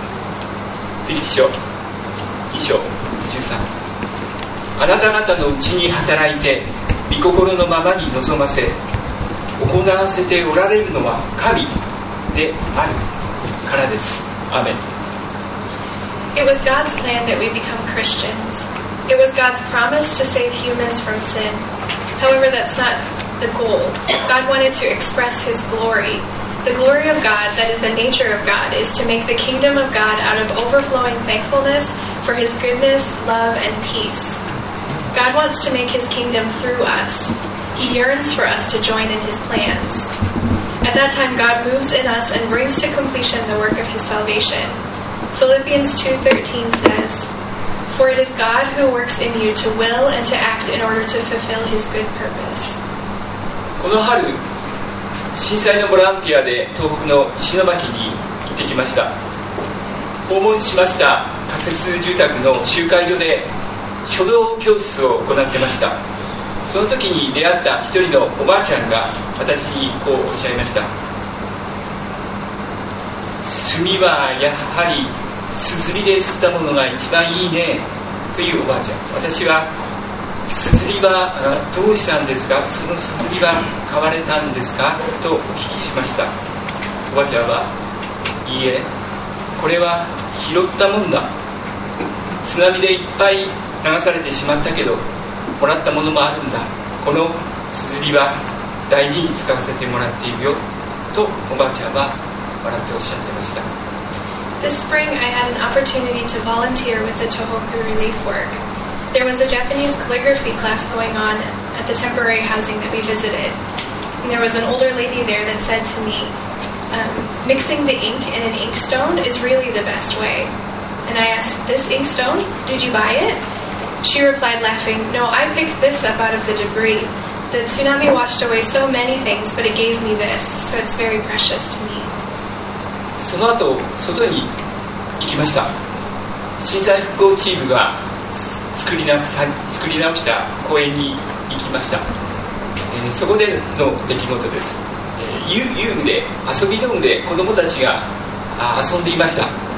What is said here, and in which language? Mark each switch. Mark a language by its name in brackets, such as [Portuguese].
[Japanese] フィリピ書2章13、あなた方のうちに働いて御心のままに望ませ行わせておられるのは神であるからです。アーメン。 [English] It was God's plan that we become Christians. It was God's promise to save humans from sin. However, that's not the goal. God wanted to express his glory. The glory of God, that is the nature of God, is to make the kingdom of God out of overflowing thankfulness for his goodness, love, and peace. God wants to make his kingdom through us. He yearns for us to join in his plans. At that time, God moves in us and brings to completion the work of his salvation. Philippians 2:13 says, "For it is God who works in you to will and to act in order to fulfill his good purpose." [Japanese] この春、震災のボランティアで東北の石巻に行ってきました。訪問しました仮設住宅の集会所で書道教室を行ってました。その時に出会った一人のおばあちゃんが私にこうおっしゃいました。炭はやはり硯で吸ったものが一番いいねというおばあちゃん。私は硯はどうしたんですか、その硯は買われたんですかとお聞きしました。おばあちゃんは、いいえ、これは拾ったもんだ、津波でいっぱい流されてしまったけどもらったものもあるんだ、この硯は大事に使わせてもらっているよとおばあちゃんは笑っておっしゃってました。 [English] This spring I had an opportunity to volunteer with the Tohoku Relief Work. There was a Japanese calligraphy class going on at the temporary housing that we visited. And there was an older lady there that said to me, mixing the ink in an ink stone is really the best way. And I asked, this ink stone, did you buy it? She replied laughing, no, I picked this up out of the debris. The tsunami washed away so many things, but it gave me this, so it's very precious to me. [Japanese] その後、外に行きました。震災復興チームが作り直した公園に行きました。そこでの出来事です。遊具で、遊び道具で子どもたちが遊んでいました。